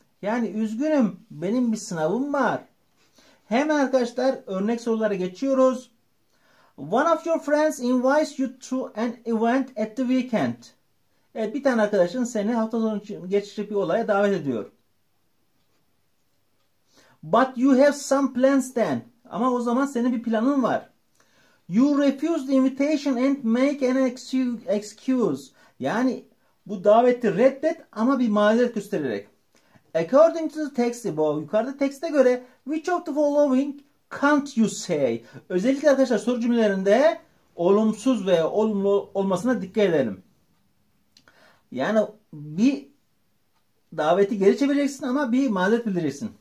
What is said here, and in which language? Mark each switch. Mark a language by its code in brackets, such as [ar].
[tr] Yani üzgünüm, benim bir sınavım var. Hemen arkadaşlar örnek sorulara geçiyoruz. [en] One of your friends invites you to an event at the weekend. [tr] Evet, bir tane arkadaşın seni hafta sonu geçirecek bir olaya davet ediyor. [en] But you have some plans then. [tr] Ama o zaman senin bir planın var. [en] You refuse the invitation and make an excuse. [tr] Yani bu daveti reddet ama bir mazeret göstererek. [en] According to the text, [tr] bu yukarıda tekste göre [en] which of the following can't you say? [tr] Özellikle arkadaşlar soru cümlelerinde olumsuz veya olumlu olmasına dikkat edelim. Yani bir daveti geri çevireceksin ama bir mazeret bildireceksin.